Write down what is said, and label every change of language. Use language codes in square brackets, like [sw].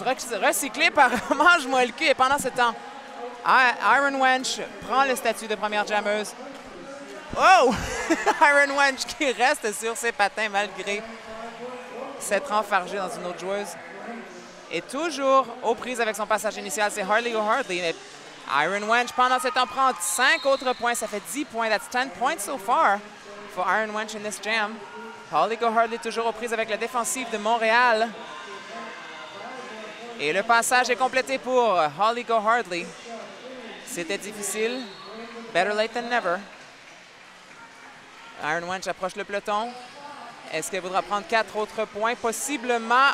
[fr] Recyclé par Mange-moi le cul. Et pendant ce temps, Iron Wench prend le statut de première jammeuse. Oh! Iron Wench qui reste sur ses patins malgré s'être enfargé dans une autre joueuse. Et toujours aux prises avec son passage initial, c'est Harley O'Hardley. Iron Wench, pendant ce temps, prend 5 autres points. Ça fait 10 points. [en] That's 10 points so far for Iron Wench in this jam. [fr] Harley O'Hardley toujours aux prises avec la défensive de Montréal. Et le passage est complété pour Harley O'Hardley. C'était difficile. [en] Better late than never. [fr] Iron Wench approche le peloton. Est-ce qu'elle voudra prendre 4 autres points? Possiblement.